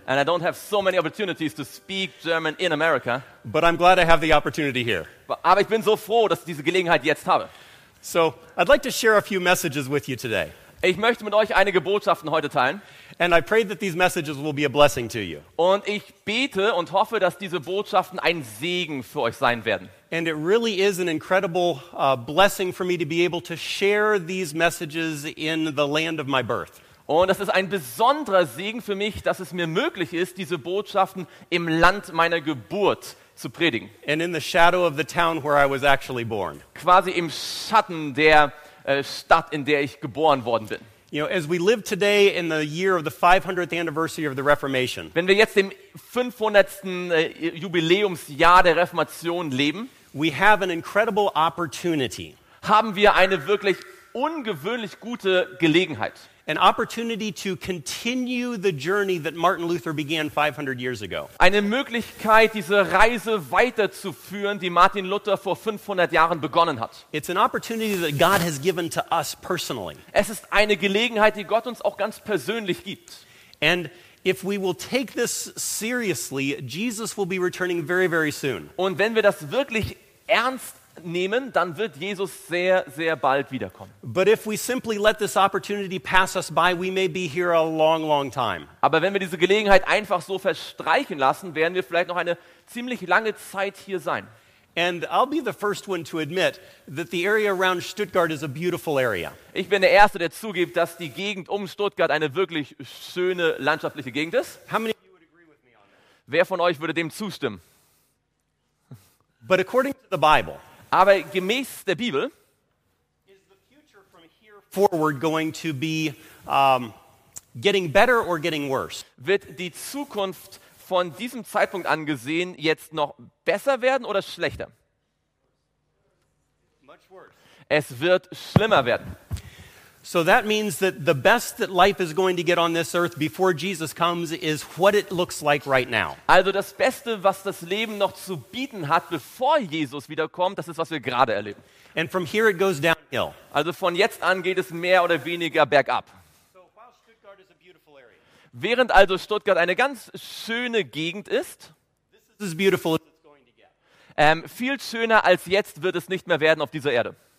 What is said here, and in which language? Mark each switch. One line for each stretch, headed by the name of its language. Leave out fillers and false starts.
English: And I don't have so many opportunities to speak German in America. But I'm glad I have the opportunity here.
German: Aber ich bin so froh, dass ich diese Gelegenheit jetzt habe.
English: So, I'd like to share a few messages with you today.
German: Ich möchte mit euch einige Botschaften heute teilen.
English: And I pray that these messages will be a blessing to you.
German: Und ich bete und hoffe, dass diese Botschaften ein Segen für euch sein werden.
English: And it really is an incredible blessing for me to be able to share these messages in the land of my birth.
German: Und es ist ein besonderer Segen für mich, dass es mir möglich ist, diese Botschaften im Land meiner Geburt zu predigen.
English: And in the shadow of the town where I was actually born.
German: Quasi im Schatten der Stadt, in der ich geboren worden bin.
English: You know, as we live today in the year of the 500th anniversary of the Reformation.
German: Wenn wir jetzt im 500. Jubiläumsjahr der Reformation leben,
English: we have an incredible opportunity.
German: Haben wir eine wirklich ungewöhnlich gute Gelegenheit.
English: An opportunity to continue the journey that Martin Luther began 500 years ago.
German: Eine Möglichkeit, diese Reise weiterzuführen, die Martin Luther vor 500 Jahren begonnen hat.
English: It's an opportunity that God has given to us personally.
German: Es ist eine Gelegenheit, die Gott uns auch ganz persönlich gibt.
English: And if we will take this seriously, Jesus will be returning very, very soon.
German: Und wenn wir das wirklich ernst nehmen, dann wird Jesus sehr, sehr bald wiederkommen.
English: But if we simply let this opportunity pass us by, we may be here a long, long time.
German: Aber wenn wir diese Gelegenheit einfach so verstreichen lassen, werden wir vielleicht noch eine ziemlich lange Zeit hier sein.
English: And I'll be the first one to admit that the area around Stuttgart is a beautiful area.
German: Ich bin der Erste, der zugibt, dass die Gegend um Stuttgart eine wirklich schöne landschaftliche Gegend ist.
English: How many of you would agree with me on that?
German: Wer von euch würde dem zustimmen?
English: But according to the Bible,
German: aber gemäß der Bibel,
English: is the future from here forward going to be getting better or getting worse?
German: Wird die Zukunft von diesem Zeitpunkt an gesehen jetzt noch besser werden oder schlechter?
English: Much worse.
German: Es wird schlimmer werden.
English: So that means that the best that life is going to get on this earth before Jesus comes is what it looks like right now.
German: Also das Beste, was das Leben noch zu bieten hat, bevor Jesus wiederkommt, das ist, was wir gerade erleben.
English: And from here it goes downhill.
German: Also von jetzt an geht es mehr oder weniger bergab.
English: So while Stuttgart is a beautiful area,
German: während also Stuttgart eine ganz schöne Gegend ist,
English: this is beautiful as it's going to get.
German: Viel schöner als jetzt wird es nicht mehr werden auf dieser Erde.